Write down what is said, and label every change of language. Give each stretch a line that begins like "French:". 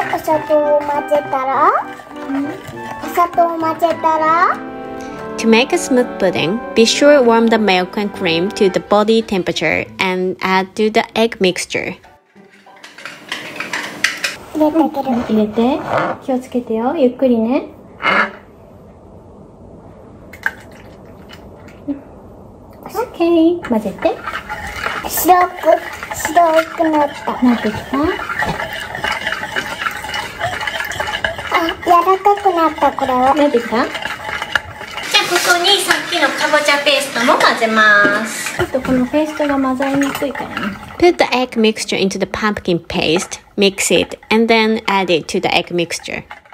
Japanese: お砂糖を混ぜたら、お砂糖を混ぜたら。
English: To make a smooth pudding, be sure to warm the milk and cream to the body temperature and add to the egg mixture.
Japanese: 入れて、気をつけてよ、ゆっくりね。オッケー、混ぜて。白くなった。なってきた？あ、柔らかくなった、これは。なってきた？じゃあここにさっきのかぼちゃペーストも混ぜます。ちょっとこのペーストが混ざりにくいからね。
English: Put the egg mixture into the pumpkin paste, mix it, and then add it to the egg mixture.